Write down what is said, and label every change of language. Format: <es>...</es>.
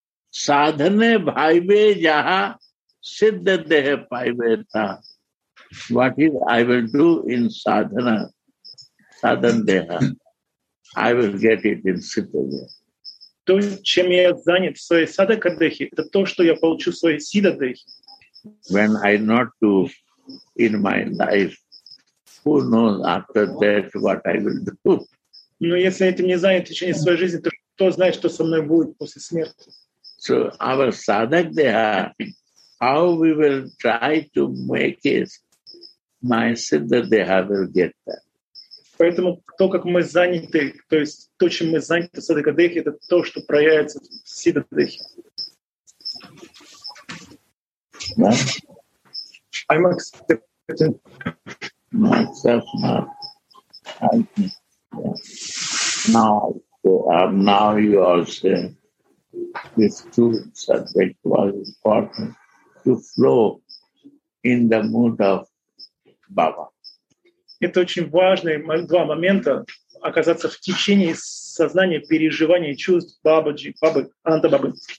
<bn>Sadhane bhaive jaha siddha deha paiveta.</bn> <en>What is I will do in sadhana, sadhan deha, I will get it in siddha deha.</en> <ru>То, чем я занят в своей садхака дехе, это то, что я получу в своей сидха дехе.</ru> <en>When I not do in my life, who knows after that what I will do?</en> <ru>Но если этим не занят в течение своей жизни, то кто знает, что со мной будет после смерти?</ru> <en>So our sadhak deha, how we will try to make it, my siddha deha will get that.</en> <ru>Поэтому то, как мы заняты, то есть то, чем мы заняты в садхака дехе, это то, что проявится в сидха дехе. Да?</ru> <en>I'm accepting myself now. Now you are saying this two subject was important to flow in the mood of Baba.</en> <ru>Это очень важные два момента оказаться в течении сознания, переживания, чувств Бабаджи, Бабы, Ананда Бабы.</ru>